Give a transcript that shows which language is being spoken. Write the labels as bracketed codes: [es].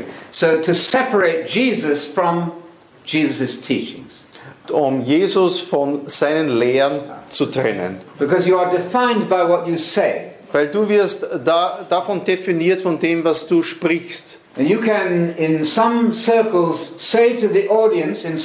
[en] So, to separate Jesus from Jesus' teachings. [de] Um Jesus von seinen Lehren zu trennen. [en] Because you are defined by what you say. [de] Weil du wirst davon definiert, von dem, was du sprichst. [en] And you can in some circles say to the audience,